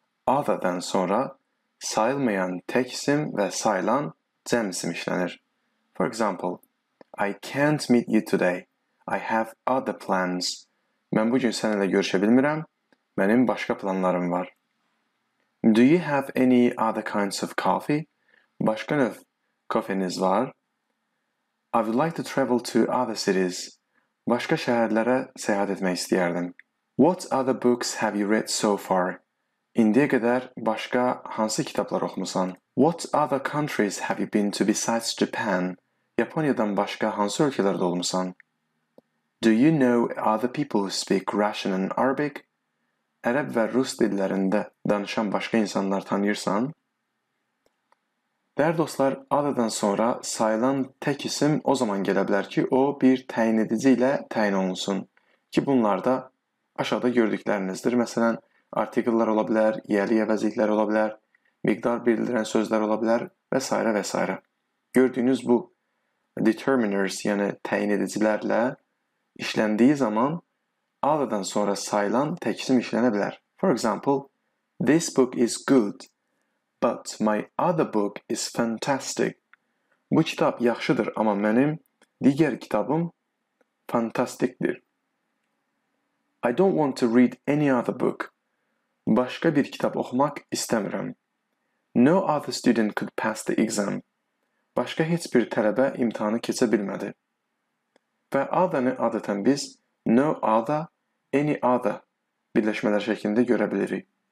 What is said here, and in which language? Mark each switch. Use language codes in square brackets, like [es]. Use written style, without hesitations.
[az] Other-dən sonra sayılmayan tək isim və sayılan cəm isim işlənir. [en] For example, I can't meet you today. I have other plans. [az] Mən bugün səninlə görüşə bilmirəm. Mənim başqa planlarım var. [en] Do you have any other kinds of coffee? [az] Başqa növ kofeniz var? [en] I would like to travel to other cities. [az] Başqa şəhərlərə səyahət etmək istəyərdim. [en] What other books have you read so far? [az] İndiyə qədər başqa hansı kitablar oxumusan? [en] What other countries have you been to besides Japan? [az] Yaponiyadan başqa hansı ölkələrdə olmusan? [en] Do you know other people who speak Russian and Arabic? [az] Ərəb və Rus dillərində danışan başqa insanlar tanıyırsan? Dəyər dostlar, adadan sonra sayılan tək isim o zaman gələ bilər ki, o bir təyin edici ilə təyin olunsun. Ki bunlar da aşağıda gördüklərinizdir. Məsələn, artikllar ola bilər, yəli əvəzliklər ola bilər, miqdar bildirən sözlər ola bilər və s. və s. Gördüyünüz bu determiners, yəni təyin edicilərlə işləndiyi zaman adadan sonra sayılan tək isim işlənə bilər. [en] For example, this book is good, but my other book is fantastic. [az] Bu kitab yaxşıdır, amma mənim digər kitabım fantastikdir. [en] I don't want to read any other book. [az] Başqa bir kitab oxumaq istəmirəm. [en] No other student could pass the exam. [az] Başqa heç bir tələbə imtihanı keçə bilmədi. Və other-ni adətən biz no other, any other birləşmələr şəklində görə bilirik.